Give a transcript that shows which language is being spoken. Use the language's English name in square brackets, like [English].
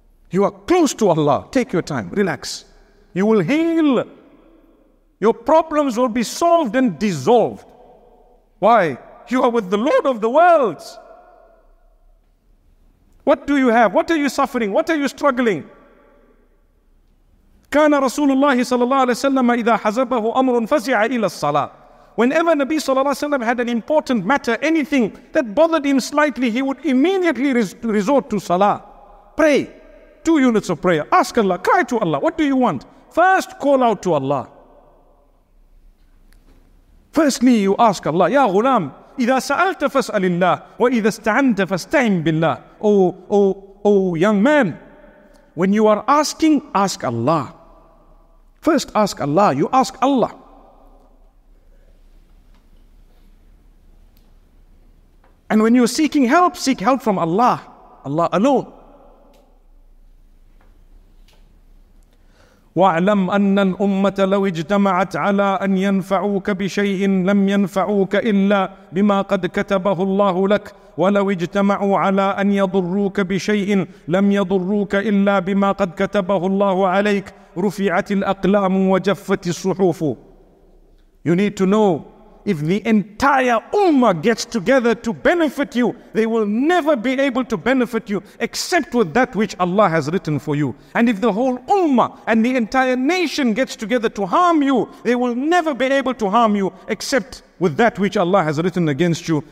[English] You are close to Allah. Take your time. Relax. You will heal. Your problems will be solved and dissolved. Why? You are with the Lord of the worlds. What do you have? What are you suffering? What are you struggling? [Arabic] كان رسول الله صلى الله عليه وسلم إذا حزبه أمر فزع إلى الصلاة. [English] Whenever Nabi [Arabic] صلى الله عليه وسلم [English] had an important matter, anything that bothered him slightly, he would immediately resort to salah. Pray. Two units of prayer. Ask Allah. Cry to Allah. What do you want? First, call out to Allah. Firstly, you ask Allah. Ya غلام. [Arabic] إذا سألت فاسأل الله وإذا استعنت فاستعن بالله. [English] Oh, young man, when you are asking, ask Allah. First ask Allah, you ask Allah. And when you are seeking help, seek help from Allah, Allah alone. [Arabic] واعلم أن الأمة لو اجتمعت على أن ينفعوك بشيء لم ينفعوك إلا بما قد كتبه الله لك ولو اجتمعوا على أن يضروك بشيء لم يضروك إلا بما قد كتبه الله عليك رفعت الأقلام وجفت الصحف. [English] You need to know, if the entire Ummah gets together to benefit you, they will never be able to benefit you except with that which Allah has written for you. And if the whole Ummah and the entire nation gets together to harm you, they will never be able to harm you except with that which Allah has written against you.